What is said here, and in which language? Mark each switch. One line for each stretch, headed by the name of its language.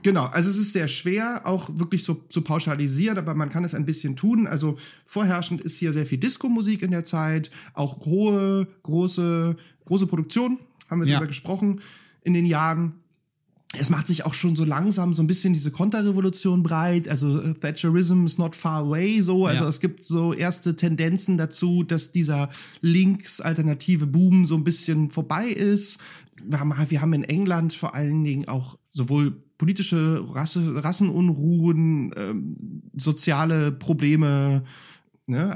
German: Genau, also es ist sehr schwer, auch wirklich so zu so pauschalisieren, aber man kann es ein bisschen tun. Also vorherrschend ist hier sehr viel Disco-Musik in der Zeit, auch hohe, große Produktion, haben wir darüber gesprochen, in den Jahren. Es macht sich auch schon so langsam so ein bisschen diese Konterrevolution breit.
English: Also Thatcherism is not far away. So.
German: Also es gibt so erste Tendenzen dazu, dass dieser links-alternative Boom so ein bisschen vorbei ist. Wir haben in England vor allen Dingen auch sowohl politische Rassenunruhen, soziale Probleme, ne?